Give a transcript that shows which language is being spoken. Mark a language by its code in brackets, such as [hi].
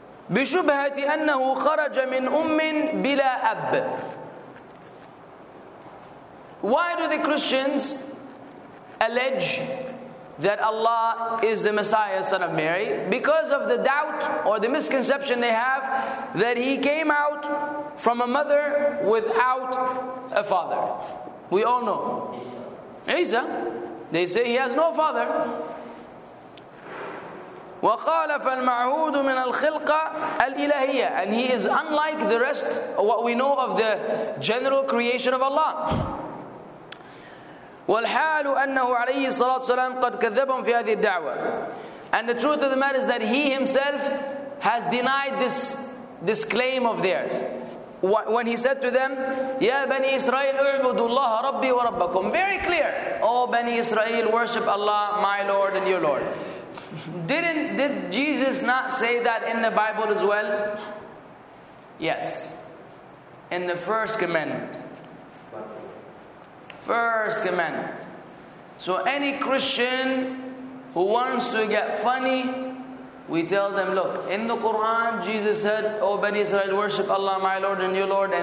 [ar] بشبهة أنه خرج من أم بلا أب. [en] Why do the Christians allege that Allah is the Messiah, son of Mary? Because of the doubt or the misconception they have that He came out from a mother without a father. We all know. Isa. They say He has no father. [ar] وقال فالمعهود من الخلقة الإلهية. [en] And he is unlike the rest, what we know of the general creation of Allah. [ar] والحال أنه عليه الصلاة والسلام قد كذبهم في هذه الدعوة. [en] And the truth of the matter is that he himself has denied this claim of theirs. When he said to them, [ar] يا بني إسرائيل اعبدوا الله ربي وربكم. [en] Very clear. Oh, Bani Israel, worship Allah, my Lord and your Lord. Did Jesus not say that in the Bible as well? Yes. In the first commandment. First commandment. So any Christian who wants to get funny, we tell them, look, in the Quran, Jesus said, O Bani Israel, worship Allah, my Lord and your Lord.